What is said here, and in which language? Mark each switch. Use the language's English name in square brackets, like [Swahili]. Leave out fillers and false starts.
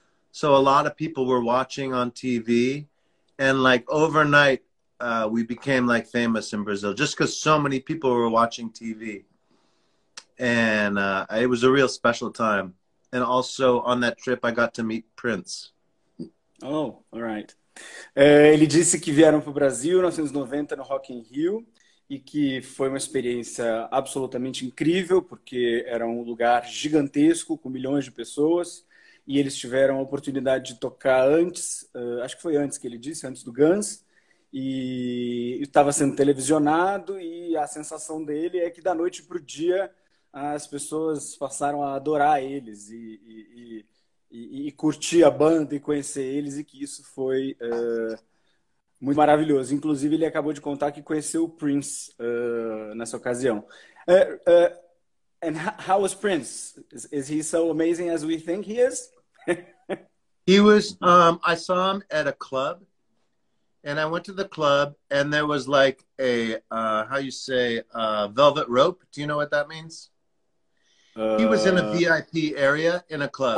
[English] So a lot of people were watching on TV, and like overnight, we became like famous in Brazil just because so many people were watching TV. And it was a real special time. And also on that trip, I got to meet Prince. Oh, all right. [Portuguese] Ele disse que vieram para o Brasil em 1990 no Rock in Rio. E que foi uma experiência absolutamente incrível, porque era um lugar gigantesco, com milhões de pessoas, e eles tiveram a oportunidade de tocar antes, acho que foi antes que ele disse, antes do Guns, e estava sendo televisionado, e a sensação dele é que da noite para o dia as pessoas passaram a adorar eles, e curtir a banda e conhecer eles, e que isso foi... muito maravilhoso. Inclusive, ele acabou de contar que conheceu o Prince nessa ocasião. [English] And how was Prince? Is he so amazing as we think he is? He was, I saw him at a club, and I went to the club, and there was like a, velvet rope. Do you know what that means? He was in a VIP area in a club.